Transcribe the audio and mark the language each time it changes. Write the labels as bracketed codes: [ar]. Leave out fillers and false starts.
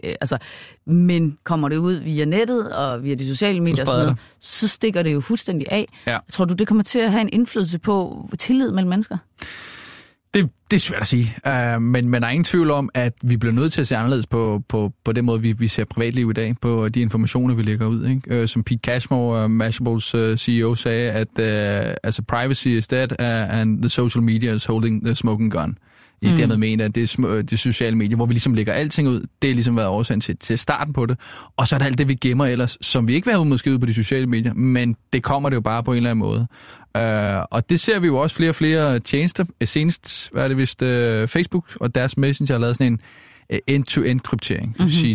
[da] Altså, men kommer det ud via nettet og via de sociale medier og sådan noget, så stikker det jo fuldstændig af. Ja. Tror du, det kommer til at have en indflydelse på tillid mellem mennesker? Det er svært at sige, men der er ingen tvivl om, at vi bliver nødt til at se anderledes på den måde, vi ser privatliv i dag, på de informationer, vi lægger ud. Ikke? Som Pete Cashmore, Mashable's CEO, sagde, at altså, [en] privacy is dead, and the social media is holding the smoking gun. [da] Dermed mener, at det sociale medier, hvor vi ligesom lægger alting ud, det har ligesom været årsagen til starten på det. Og så er der alt det, vi gemmer ellers, som vi ikke vil have måske ud på de sociale medier, men det kommer det jo bare på en eller anden måde. Og det ser vi jo også flere og flere tjenester. Senest, hvad er det vist, Facebook og deres Messenger har lavet sådan en end-to-end kryptering. Mm-hmm.